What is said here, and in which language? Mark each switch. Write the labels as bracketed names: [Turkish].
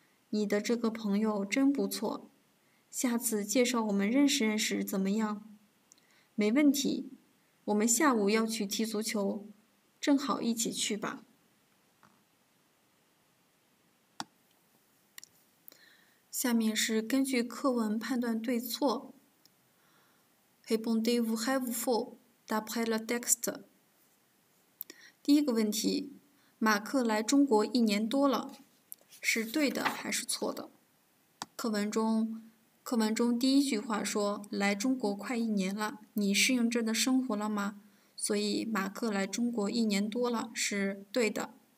[Chinese] 你的这个朋友真不错，下次介绍我们认识认识怎么样？没问题，我们下午要去踢足球，正好一起去吧。下面是根据课文判断对错。 [French] Répondez-vous vrai ou faux d'après le texte？ [Chinese] 第一个问题，马克来中国一年多了，是对的还是错的？课文中第一句话说，来中国快一年了，你适应这的生活了吗？所以马克来中国一年多了是对的。